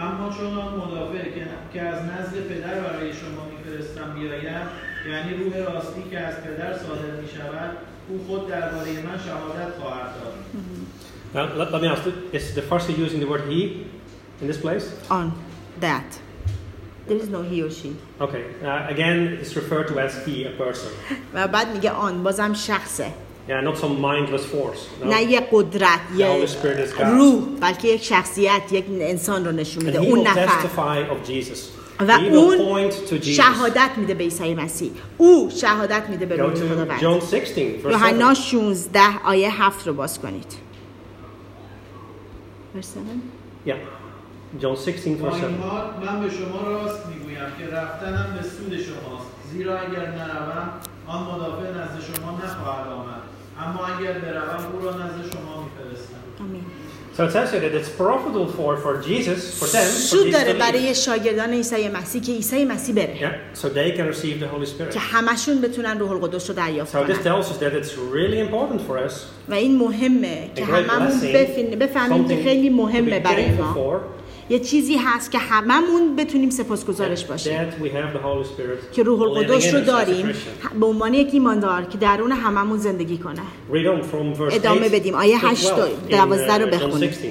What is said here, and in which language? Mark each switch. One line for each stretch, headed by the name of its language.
Persian: اما چون آن مدافع که از نزد پدر برای شما میفرستم بیاید، یعنی روح راستی که از پدر صادر میشود، او خود درباره من شهادت خواهد داد.
English: Now let me ask this. It's the first using the word he. In this place? On that. There is no he or she. Okay. Again, it's referred to as he, a person.
Persian: و بعد میگه on. بازم شخصه.
English: Yeah, not some mindless force. No.
Persian: نه یه قدرت.
English: The Holy Spirit is God.
Persian: روح. بلکه یک شخصیت. یک انسان رو نشون میده. اون نفر.
English: And he will testify of Jesus.
Persian: و اون شهادت میده به عیسی مسیح. او شهادت میده به روح خداوند.
English: John 16, verse 7.
Persian: یوحنا 16 آیه 7 رو باز کنید.
English: Yeah. John 16, verse 7.
Persian: من به شما راست میگویم که رفتنم به سود شماست. زیرا اگر نروم آن مدافع نزد شما نخواهد آمد. اما اگر بروم او را نزد شما میفرستم. آمین.
English: So it says here that it's profitable for Jesus, for them.
Persian: سود داره برای شاگردان عیسی مسیح که عیسی مسیح بره.
English: Yeah, so they can receive the Holy Spirit.
Persian: که همشون بتونن روح القدس رو دریافت کنن.
English: So this tells us that it's really important for us.
Persian: و این مهمه که هممون بفهمیم که خیلی مهمه برای ما. یه چیزی هست که هممون بتونیم سپاسگزارش باشیم که روح القدس رو داریم به عنوان یک ایماندار که درون هممون زندگی کنه. ادامه بدیم آیه 8 و 12 رو بخونیم.